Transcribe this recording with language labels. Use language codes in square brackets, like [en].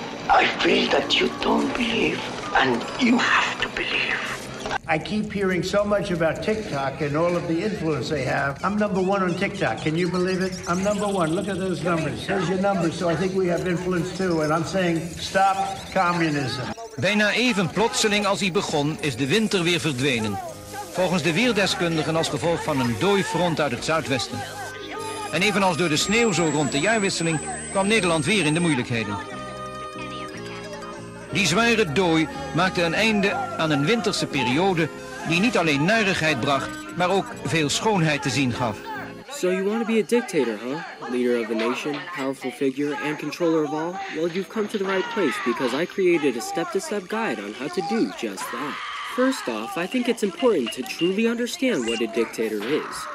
[en] I feel that you don't believe, and you have to believe. I keep hearing so much about TikTok and all of the influence they have. I'm number one on TikTok. Can you believe it? I'm number one. Look at those numbers. Here's your numbers, so I think we have influence too. And I'm saying, stop communism. [nl] Bijna even plotseling als hij begon, is de winter weer verdwenen. Volgens de weerdeskundigen als gevolg van een dooi front uit het zuidwesten. En evenals door de sneeuw zo rond de jaarwisseling, kwam Nederland weer in de moeilijkheden. Die zware dooi maakte een einde aan een winterse periode die niet alleen narigheid bracht, maar ook veel schoonheid te zien gaf. [en] So you want to be a dictator, huh? Leader of the nation, powerful figure, and controller of all? Well, you've come to the right place because I created a step-to-step guide on how to do just that. First off, I think it's important to truly understand what a dictator is.